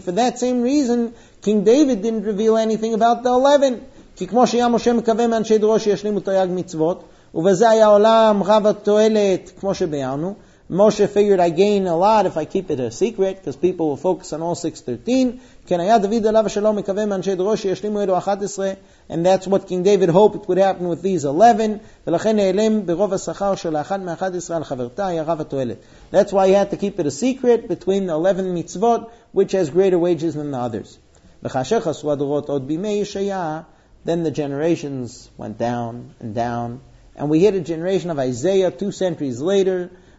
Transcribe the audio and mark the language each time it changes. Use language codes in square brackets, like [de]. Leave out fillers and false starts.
[en] For that same reason, King David didn't reveal anything about the 11. [he] כי כמו שהיה משה מקווה מאנשי דורו שישלימו תויג מצוות, ובזה היה עולם רב התועלת, כמו שביארנו, [en] Moshe figured I gain a lot if I keep it a secret, because people will focus on all 613. [he] כן היה דוד עליו השלום מקווה מאנשי דורו שישלימו אלו 11, [en] and that's what King David hoped would happen with these 11, [he] ולכן נעלם ברוב השכר של האחד מ-11 על חברתה היה רב התועלת. [en] That's why he had to keep it a secret between the 11 מצוות, which has greater wages than the others. [he] וכאשר חסרו הדורות עוד בימי ישעיה, [en] then the generations went down and down. And we hit a generation of Isaiah 2 centuries later.